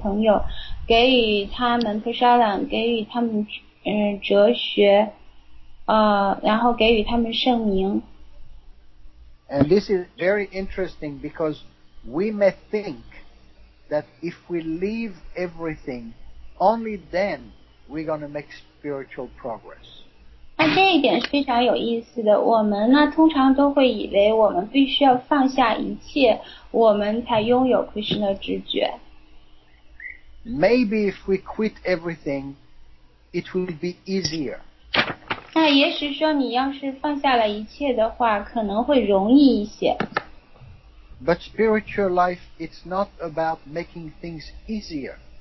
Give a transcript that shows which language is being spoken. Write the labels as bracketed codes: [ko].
[zh] 你可以给你周围的人，就跟你在一起工作的这些同事、这些朋友，给予他们 prasadam, 给予他们哲学，然后给予他们圣名。 [en] And this is very interesting because we may think that if we leave everything, only then we're going to make spiritual progress. [zh] 那这一点是非常有意思的。我们呢，通常都会以为我们必须要放下一切，我们才拥有Krishna知觉。 [en] Maybe if we quit everything, it will be easier. [zh] 那也许说你要是放下了一切的话，可能会容易一些。 [en] But spiritual life, it's not about making things easier.